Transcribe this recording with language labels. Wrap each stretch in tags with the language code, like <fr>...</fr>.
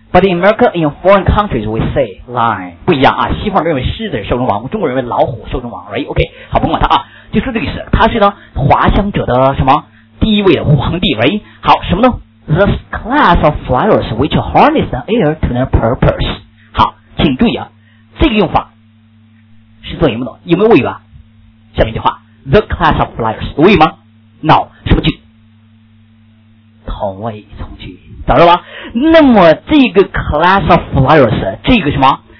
<en>But in America, in foreign countries, we say lion.</en> <zh>不一样啊，西方认为狮子是兽中王，中国认为老虎兽中王，</zh> <en>right? OK,</en> <zh>好，甭管它啊，就是这个意思。它是呢，滑翔者的什么第一位的皇帝，</zh> <en>right?</en> <zh>好，什么呢？</zh> <en>The class of flowers which harness the air to their purpose.</en> <zh>好，请注意啊，这个用法是做什么的？有没有谓语啊？下面一句话 ，</zh> <en>The class of flowers</en> <zh>有谓语吗 ？</zh> <en>No,</en> <zh>什么句？同位从句，懂了吧？那么这个</zh> <en>class of flowers</en> <zh>这个什么？</zh>